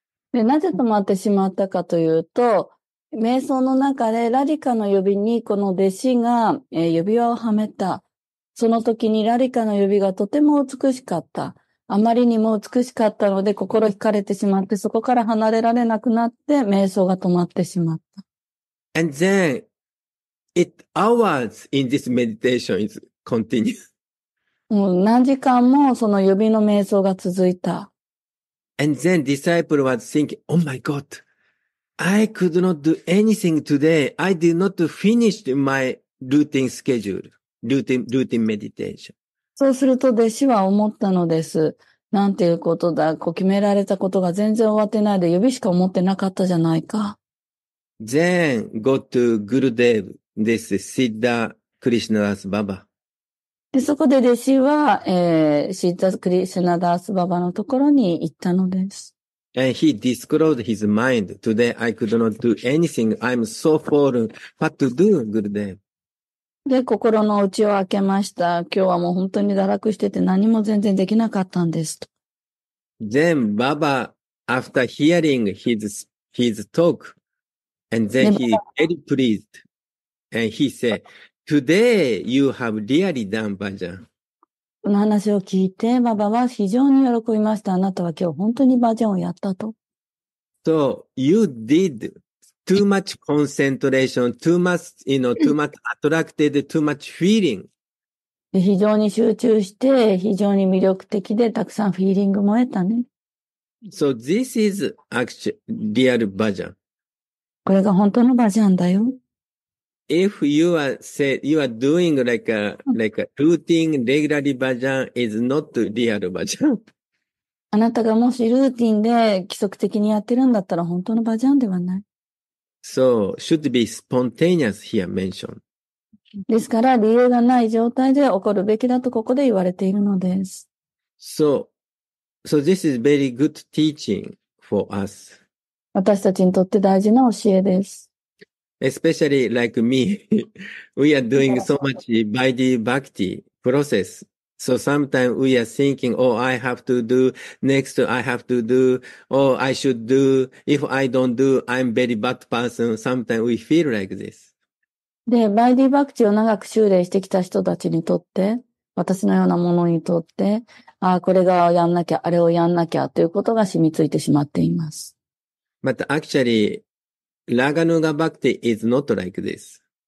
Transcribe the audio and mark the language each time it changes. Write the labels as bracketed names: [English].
[Japanese] で、なぜ止まってしまったかというと、瞑想の中でラディカの指にこの弟子が指輪をはめた。その時にラディカの指がとても美しかった。あまりにも美しかったので心惹かれてしまって、そこから離れられなくなって瞑想が止まってしまった。 [English] And then, it hours in this meditation is continue. [Japanese] 何時間もその指の瞑想が続いた。 [English] And then disciple was thinking, oh my god, I could not do anything today. I did not finish my routine schedule, routine meditation. [Japanese] そうすると弟子は思ったのです。なんていうことだ。こう決められたことが全然終わってないで、指しか思ってなかったじゃないか。 [English] Then go to Gurudev, this Siddha Krishnadas Baba. [Japanese] で、そこで弟子は、Siddha Krishnadas Baba のところに行ったのです。 [English] And he disclosed his mind. Today I could not do anything. I'm so fallen. What to do, Gurudev? [Japanese] で、心の内を開けました。今日はもう本当に堕落してて何も全然できなかったんですと。 [English] Then Baba, after hearing his talk, and then he very pleased, and he said, "Today you have really done bhajan." [Japanese] この話を聞いて、ババは非常に喜びました。あなたは今日本当にバジャンをやったと。 [English] So you did. Too much concentration, too much, you know, too much attracted, too much feeling. [Japanese] 非常に集中して、非常に魅力的で、たくさんフィーリングも得たね。 [English] So this is actually real bhajan. [Japanese] これが本当のバジャンだよ。 [English] If you are doing like a routine, regularly bhajan is not real bhajan. [Japanese] あなたがもしルーティンで規則的にやってるんだったら本当のバジャンではない。 [English] So, should be spontaneous here mentioned. [Japanese] ですから、理由がない状態で起こるべきだとここで言われているのです。 [English] So this is very good teaching for us. [Japanese] 私たちにとって大事な教えです。 [English] Especially like me, we are doing so much Vaidhi Bhakti process. So sometimes we are thinking, oh, I have to do next, I have to do, oh, I should do. If I don't do, I'm very bad person. Sometimes we feel like this. [Japanese] で、バイディバクチを長く修練してきた人たちにとって、私のようなものにとって、ああ、これがやんなきゃ、あれをやんなきゃということが染みついてしまっています。 [English] But actually, ラガヌガバクティ is not like this.